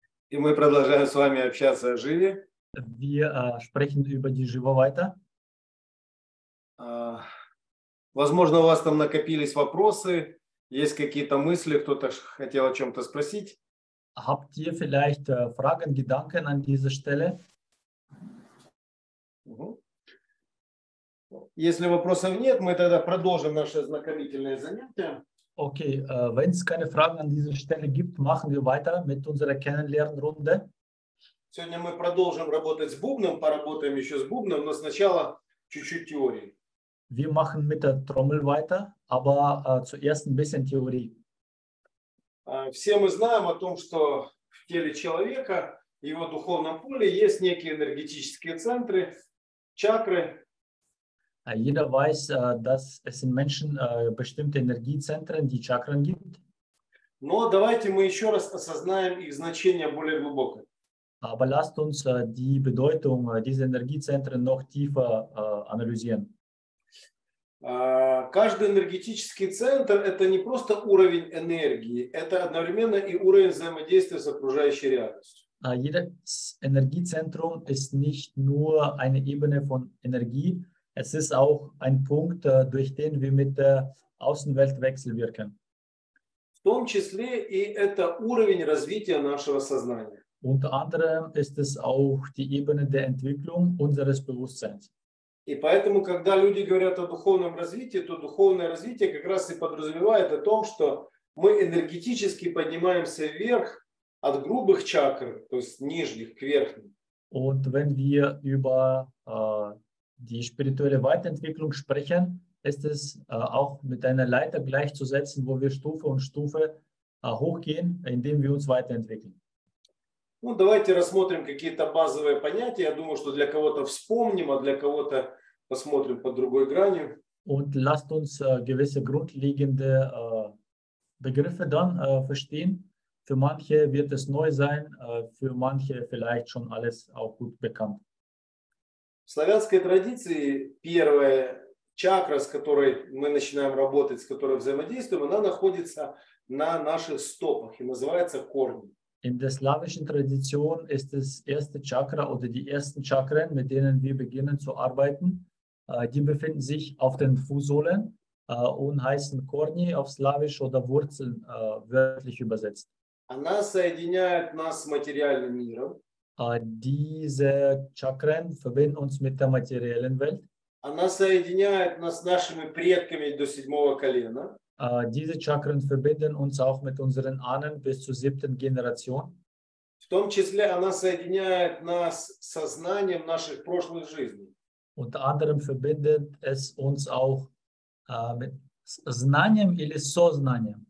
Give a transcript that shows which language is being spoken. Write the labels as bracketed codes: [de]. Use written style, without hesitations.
[ru] И мы продолжаем с вами общаться о живе. [de] Wir sprechen über die Живe weiter. [ru] Возможно, у вас там накопились вопросы, есть какие-то мысли, кто-то хотел о чем-то спросить. [de] Habt ihr vielleicht Fragen, Gedanken an dieser Stelle? [ru] Если вопросов нет, мы тогда продолжим наше ознакомительное занятие. [de] Okay, wenn es keine Fragen an dieser Stelle gibt, machen wir weiter mit unserer Kennenlernrunde. [ru] Сегодня мы продолжим работать с бубном, поработаем еще с бубном, но сначала чуть-чуть теории. [de] Wir machen mit der Trommel weiter, aber zuerst ein bisschen Theorie. [ru] Все мы знаем о том, что в теле человека, в его духовном поле есть некие энергетические центры, чакры. [de] Jeder weiß, dass es in Menschen bestimmte Energiezentren, die Chakren gibt. [ru] Но давайте мы еще раз осознаем их значение более глубоко. [de] Aber lasst uns die Bedeutung dieser Energiezentren noch tiefer analysieren. [ru] Каждый энергетический центр – это не просто уровень энергии, это одновременно и уровень взаимодействия с окружающей реальностью. [de] Jedes Energiezentrum ist nicht nur eine Ebene von Energie, es ist auch ein Punkt, durch den wir mit der Außenwelt wechselwirken. [ru] В том числе и это уровень развития нашего сознания. [de] Unter anderem ist es auch die Ebene der Entwicklung unseres Bewusstseins. [ru] И поэтому, когда люди говорят о духовном развитии, то духовное развитие как раз и подразумевает о том, что мы энергетически поднимаемся вверх от грубых чакр, то есть нижних, к верхним. [de] Und wenn wir über die spirituelle Weiterentwicklung sprechen, ist es auch mit einer Leiter gleichzusetzen, wo wir Stufe um Stufe hochgehen, indem wir uns weiterentwickeln. [ru] Ну, давайте рассмотрим какие-то базовые понятия. Я думаю, что для кого-то вспомним, а для кого-то посмотрим под другой гранью. [de] Und lasst uns gewisse grundlegende Begriffe dann verstehen. Für manche wird es neu sein, für manche vielleicht schon alles auch gut bekannt. [ru] В славянской традиции первая чакра, с которой мы начинаем работать, с которой взаимодействуем, она находится на наших стопах и называется корнем. [de] In der slawischen Tradition ist das erste Chakra oder die ersten Chakren, mit denen wir beginnen zu arbeiten, die befinden sich auf den Fußsohlen und heißen Korni auf Slawisch oder Wurzeln wörtlich übersetzt. [ru] Она соединяет нас с материальным миром. [de] Diese Chakren verbinden uns mit der materiellen Welt. [ru] Она соединяет нас с нашими предками до седьмого колена. [de] Diese Chakren verbinden uns auch mit unseren Ahnen bis zur siebten Generation. [ru] В том числе она соединяет нас с сознанием наших прошлых жизней. [de] Unter anderem verbindet es uns auch mit [ru] знанием или со знанием.